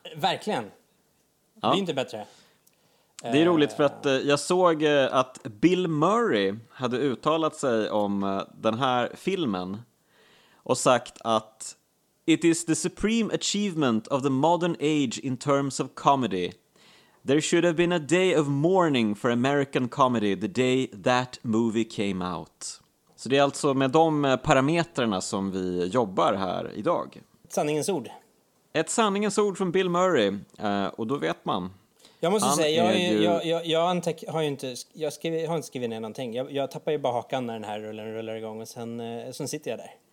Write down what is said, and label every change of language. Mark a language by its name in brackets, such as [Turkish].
[Swedish] Verkligen. Ja. Det är inte bättre. Det är roligt, för att jag såg att Bill Murray hade uttalat sig om den här filmen och sagt att [English] "It is the supreme achievement of the modern age in terms of comedy. There should have been a day of mourning for American comedy the day that movie came out." [Swedish] Så det är alltså med de parametrarna som vi jobbar här idag. Sanningens ord. Ett sanningens ord från Bill Murray, och då vet man. Jag måste säga, jag har inte skrivit ner någonting. Jag tappar ju bara hakan när den här rullar igång, och sen sitter jag där.